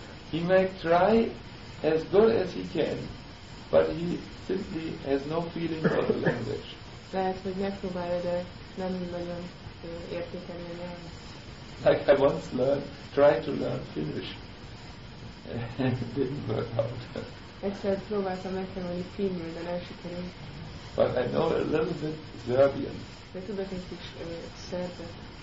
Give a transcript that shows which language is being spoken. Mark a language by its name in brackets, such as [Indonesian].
[English] He might try as good as he can, but he simply has no feeling for the language. [Hungarian] Lehet, hogy megpróbálja, de nem nagyon értékeli a nyelvet. [English] Like I once tried to learn Finnish, and it didn't work out. [Hungarian] Egyszer próbáltam megtanulni finnül, de nem sikerült. [English] But I know a little bit Serbian. [Hungarian] De tudok egy kis szerbet.